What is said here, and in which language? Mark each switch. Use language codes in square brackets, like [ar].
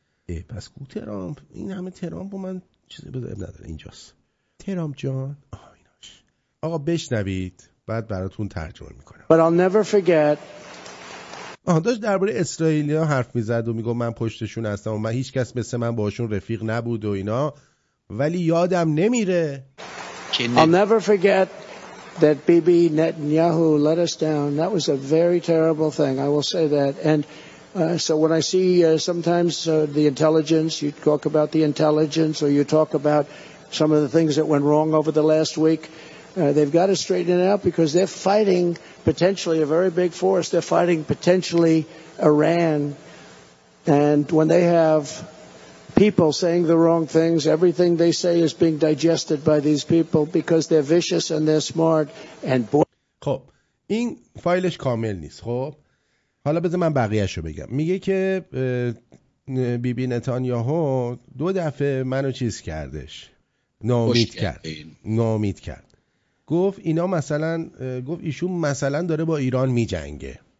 [fa] اه پس کو ترامپ این همه ترامپ و من چیزی بذاریم نداره اینجاست ترامپ جان آه آقا بشنوید بعد براتون ترجمه میکنم. [en] But I'll never forget. [fa] آه داشت درباره اسرائیلی ها حرف میزد و میگو من پشتشون هستم و من هیچ کس مثل من باشون رفیق نبود و اینا ولی یادم نمیره. [en] I'll never forget that Bibi Netanyahu let us down. That was a very terrible thing. I will say that. And so when I see sometimes the intelligence, you talk about the intelligence or you talk about some of the things that went wrong over the last week, they've got to straighten it out because they're fighting potentially a very big force. They're fighting potentially Iran. And when they have people saying the wrong things, everything they say is being digested by these people because they're vicious and they're smart and bored. [fa] خب این فایلش کامل نیست. خب حالا بذار من بقیهشو بگم. میگه که بی بی نتانیاهو دو دفعه منو چیز کردش نامید کرد نامید کرد گفت اینا مثلا گفت ایشون مثلا داره با ایران میجنگه.